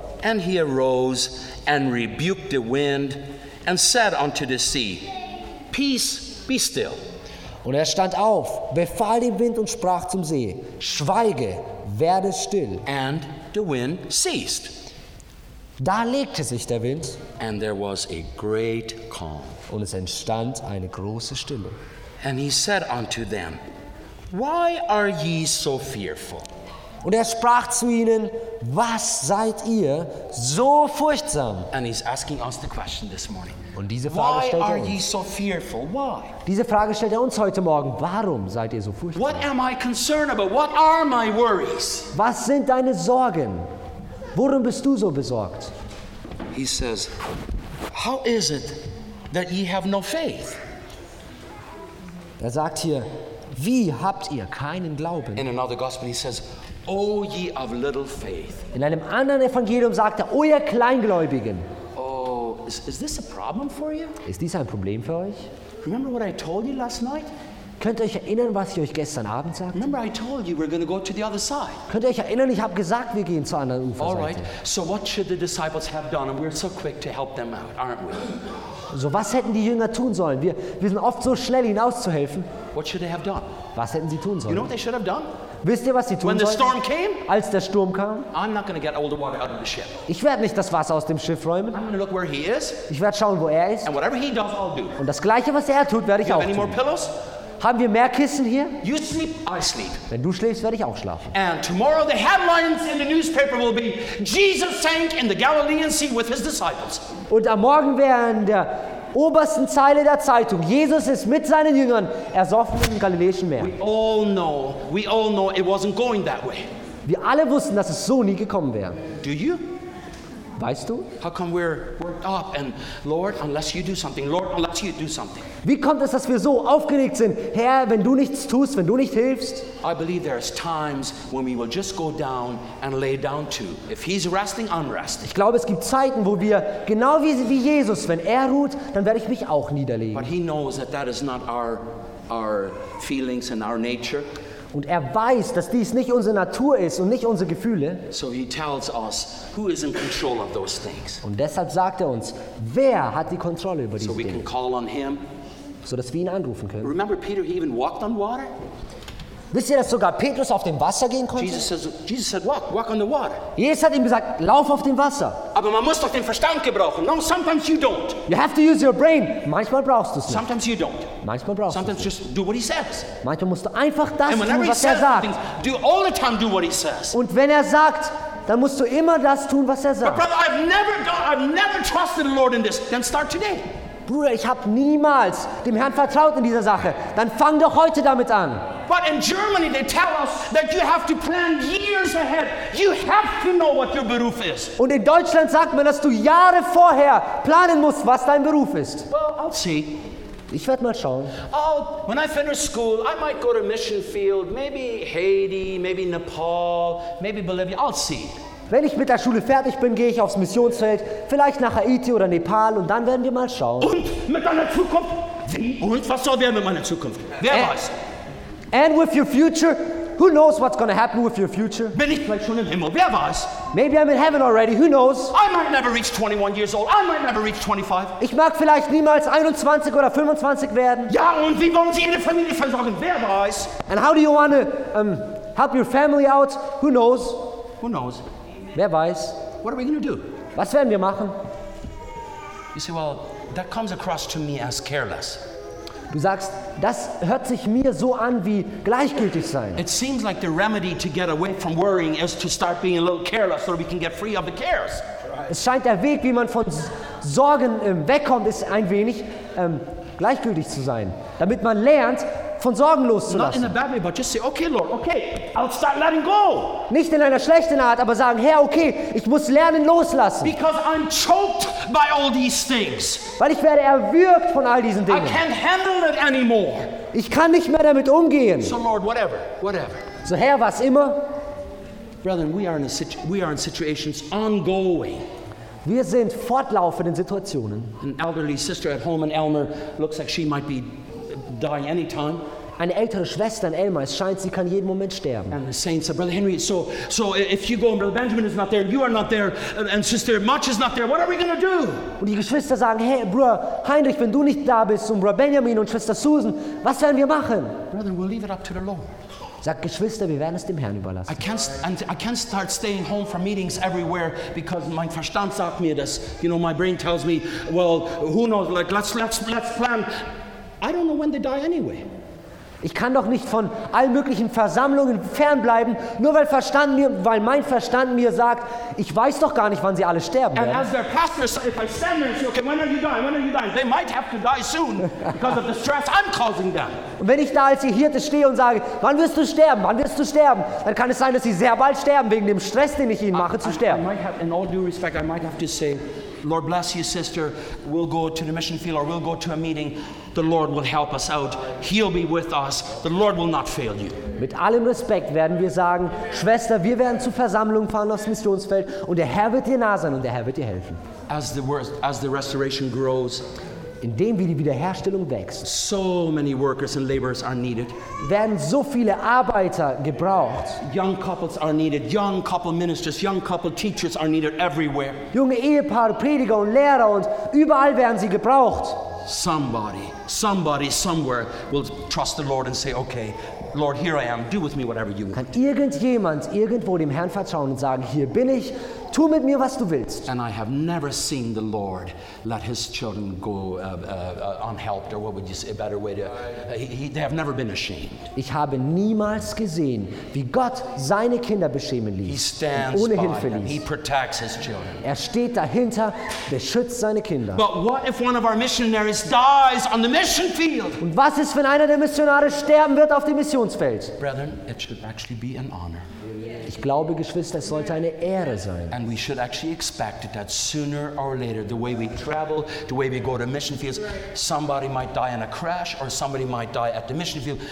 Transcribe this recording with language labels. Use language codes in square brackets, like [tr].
[en] And he arose and rebuked the wind and said unto the sea, peace, be still. [de] Und er stand auf, befahl dem Wind und sprach zum See, schweige, werde still. [en] And the wind ceased. [de] Da legte sich der Wind. [en] And there was a great calm. [de] Und es entstand eine große Stille. [en] And he said unto them, why are ye so fearful? [de] Und er sprach zu ihnen, was seid ihr so furchtsam? [en] And he's asking us the question this morning. [de] Und diese Frage stellt er uns. [en] So fearful? Why? [de] Diese Frage stellt er uns heute Morgen. Warum seid ihr so furchtsam? [en] What am I concerned about? What are my worries? [de] Was sind deine Sorgen? Worum bist du so besorgt? [en] He says, how is it that ye have no faith? [de] Er sagt hier, wie habt ihr keinen Glauben? [en] In another gospel he says, O ye of little faith. [de] In einem anderen Evangelium sagt er, o ihr Kleingläubigen. [en] Oh, is this a problem for you? [de] Ist dies ein Problem für euch? [en] Remember what I told you last night? [de] Könnt ihr euch erinnern, was ich euch gestern Abend sagte? [en] Remember I told you we're going to go to the other side. [de] Könnt ihr euch erinnern, ich habe gesagt, wir gehen zur anderen Uferseite. [en] All right. So what should the disciples have done? And we're so quick to help them out, aren't we? [de] So was hätten die Jünger tun sollen? Wir sind oft so schnell hinauszuhelfen. [en] What should they have done? [de] Was hätten sie tun sollen? [en] You know what they should have done? [de] Wisst ihr, was sie tun [en] When the [de] sollten? [en] Storm came, [de] als der Sturm kam, [en] I'm not gonna get all the water out of the ship. [de] Ich werde nicht das Wasser aus dem Schiff räumen. [en] I'm gonna look where he is, [de] ich werde schauen, wo er ist. [en] And whatever he does, I'll do. [de] Und das Gleiche, was er tut, werde ich [en] you [de] auch [en] have any [de] tun. [en] More pillows? [de] Haben wir mehr Kissen hier? [en] You sleep, I sleep. [de] Wenn du schläfst, werde ich auch schlafen. [en] And tomorrow the headlines in the newspaper will be Jesus sank in the Galilean Sea with his disciples. [de] Und am Morgen werden der obersten Zeile der Zeitung. Jesus ist mit seinen Jüngern ersoffen im Galiläischen Meer. [en] We all know it wasn't going that way. [de] Wir alle wussten, dass es so nie gekommen wäre. [en] Do you? [de] Weißt du? [en] How come we're worked up and Lord, unless you do something. Lord, unless you do something. [de] Wie kommt es, dass wir so aufgeregt sind? Herr, wenn du nichts tust, wenn du nicht hilfst? [en] I believe there are times when we will just go down and lay down too. If he's resting, I'm resting. [de] Ich glaube, es gibt Zeiten, wo wir genau wie Jesus, wenn er ruht, dann werde ich mich auch niederlegen. [en] But he knows that that is not our feelings and our nature. [de] Und er weiß, dass dies nicht unsere Natur ist und nicht unsere Gefühle. [en] So he tells us, who is in control of those things. [de] Und deshalb sagt er uns, wer hat die Kontrolle über diese Dinge? [en] So we can call on him. [de] So dass wir ihn anrufen können. [en] Remember Peter, he even walked on water? [de] Wisst ihr, dass sogar Petrus auf dem Wasser gehen konnte? [en] Jesus said, walk on the water. [de] Jesus hat ihm gesagt, lauf auf dem Wasser. Aber man muss doch den Verstand gebrauchen. [en] No, sometimes you don't. You have to use your brain. [de] Manchmal brauchst du es nicht. [en] Sometimes you don't. [de] Manchmal brauchst [en] sometimes [de] du es nicht. [en] Sometimes just do what he says. [de] Manchmal musst du einfach das [en] and [de] tun, was [en] says [de] er sagt. [en] Things, do all the time do what he says. [de] Und wenn er sagt, dann musst du immer das tun, was er sagt. [en] But brother, I've never trusted the Lord in this. Then start today. [de] Bruder, ich habe niemals dem Herrn vertraut in dieser Sache. Dann fang doch heute damit an. [en] But in Germany they tell us that you have to plan years ahead. You have to know what your Beruf is. [de] Und in Deutschland sagt man, dass du Jahre vorher planen musst, was dein Beruf ist. [en] Well, I'll see. [de] Ich werde mal schauen. [en] Oh, when I finish school, I might go to mission field, maybe Haiti, maybe Nepal, maybe Bolivia. I'll see. [de] Wenn ich mit der Schule fertig bin, gehe ich aufs Missionsfeld, vielleicht nach Haiti oder Nepal und dann werden wir mal schauen. Und mit deiner Zukunft? Wie? Und was soll werden mit meiner Zukunft? Wer weiß? [en] And with your future? Who knows what's going to happen with your future? [de] Bin ich vielleicht schon im Himmel? Wer weiß? [en] Maybe I'm in heaven already. Who knows? I might never reach 21 years old. I might never reach 25. [de] Ich mag vielleicht niemals 21 oder 25 werden. Ja, und wie wollen Sie Ihre Familie versorgen? Wer weiß? [en] And how do you want to help your family out? Who knows? Who knows? [de] Wer weiß? [en] What are we going to do? [de] Was werden wir machen? [en] You say, well, that comes across to me as careless. [de] Du sagst, das hört sich mir so an wie gleichgültig sein. [en] It seems like the remedy to get away from worrying is to start being a little careless, so we can get free of the cares. [de] Es scheint der Weg, wie man von Sorgen wegkommt, ist ein wenig gleichgültig zu sein, damit man lernt, von Sorgen loszulassen. [en] Not in a bad way, but just say, okay, Lord, okay, I'll start letting go. [de] Nicht in einer schlechten Art, aber sagen, Herr, okay, ich muss lernen, loslassen. [en] Because I'm choked by all these things. [de] Weil ich werde erwürgt von all diesen Dingen. [en] I can't handle it anymore. [de] Ich kann nicht mehr damit umgehen. [en] So, Lord, whatever. [de] So, Herr, was immer. [en] Brethren, we are in situations ongoing. [de] Wir sind fortlaufend in Situationen. [en] An elderly sister at home in Elmer looks like she might be die anytime. [de] Eine ältere Schwester in Elmer, es scheint, sie kann jeden Moment sterben. [en] And the saints said, Brother Henry, so if you go and Brother Benjamin is not there, you are not there, and Sister March is not there, what are we going to do? [de] Und die Geschwister sagen, hey, Bruder Heinrich, wenn du nicht da bist, und Bruder Benjamin und Schwester Susan, was werden wir machen? [en] Brother, we'll leave it up to the Lord. [de] Sag Geschwister, wir werden es dem Herrn überlassen. [en] I can't start staying home from meetings everywhere because [de] mein Verstand sagt mir das. [en] You know, my brain tells me, well, who knows, like, let's plan. I don't know when they die anyway. [de] Ich kann doch nicht von allen möglichen Versammlungen fernbleiben, nur weil mein Verstand mir sagt, ich weiß doch gar nicht, wann sie alle sterben werden. [en] And as their pastor, if I stand there and say, okay, when are you dying? They might have to die soon because of the stress I'm causing them. [de] Und wenn ich da als ihr Hirte stehe und sage, wann wirst du sterben? Dann kann es sein, dass sie sehr bald sterben, wegen dem Stress, den ich ihnen mache, zu sterben. [en] I might have to say, Lord bless you, sister. We'll go to the mission field or we'll go to a meeting. The Lord will help us out. He'll be with us. The Lord will not fail you. [de] Mit allem Respekt werden wir sagen, Schwester, wir werden zur Versammlung fahren aufs Missionsfeld und der Herr wird dir nah sein und der Herr wird dir helfen. [en] As the restoration grows, [de] indem wie die Wiederherstellung wächst, [en] so many workers and laborers are needed. [de] Werden so viele Arbeiter gebraucht. [en] Young couples are needed. Young couple ministers, young couple teachers are needed everywhere. [de] Junge Ehepaare, Prediger und Lehrer und überall werden sie gebraucht. [en] Somebody somewhere will trust the Lord and say, okay, Lord, here I am. Do with me whatever you want. [de] Kann irgendjemand irgendwo dem Herrn vertrauen und sagen, hier bin ich. Tu mit mir, was du willst. [en] And I have never seen the Lord let his children go unhelped, or what would you say, a better way to... They have never been ashamed. [de] Ich habe niemals gesehen, wie Gott seine Kinder beschämen ließ. [en] He stands [de] ohne [en] by [de] Hilfe [en] them. He protects his children. [de] Er steht dahinter, beschützt seine Kinder. [en] But what if one of our missionaries dies on the mission field? [de] Und was ist, wenn einer der Missionare sterben wird auf dem Missionsfeld? [en] Brethren, it should actually be an honor. [de] Ich glaube, Geschwister, es sollte eine Ehre sein. [en] And we should actually expect that sooner or later, the way we travel, the way we go to mission fields, somebody might die in a crash or somebody might die at the mission field.